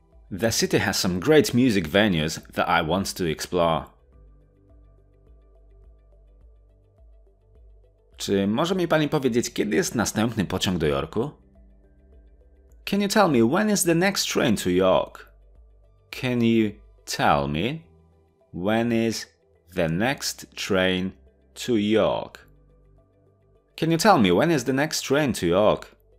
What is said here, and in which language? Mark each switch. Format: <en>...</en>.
<en>The city has some great music venues that I want to explore.</en> <pl>Czy może mi pani powiedzieć, kiedy jest następny pociąg do Jorku?</pl> <en>Can you tell me when is the next train to York? Can you tell me when is the next train to York? Can you tell me when is the next train to York?</en>